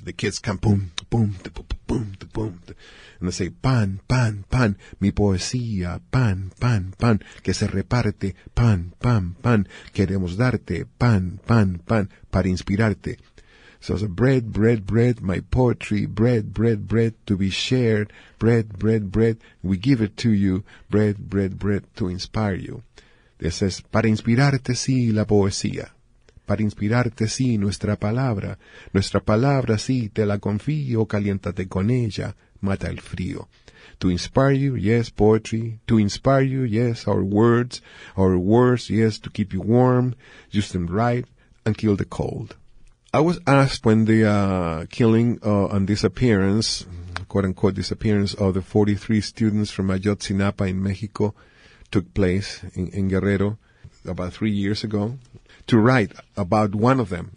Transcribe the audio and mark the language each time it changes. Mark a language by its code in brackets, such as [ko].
[en] The kids come boom, boom, boom, boom, boom, and they say, [es] pan, pan, pan, mi poesía, pan, pan, pan, que se reparte, pan, pan, pan, queremos darte, pan, pan, pan, para inspirarte. [en] So it's a bread, bread, bread, my poetry, bread, bread, bread, to be shared, bread, bread, bread, we give it to you, bread, bread, bread, to inspire you. It says, [es] para inspirarte, sí, la poesía. Para inspirarte, sí, nuestra palabra, sí, te la confío, caliéntate con ella, mata el frío. [en] To inspire you, yes, poetry. To inspire you, yes, our words, yes, to keep you warm, use them right, and kill the cold. I was asked when the killing and disappearance, quote-unquote disappearance, of the 43 students from Ayotzinapa in Mexico took place in Guerrero about 3 years ago, to write about one of them.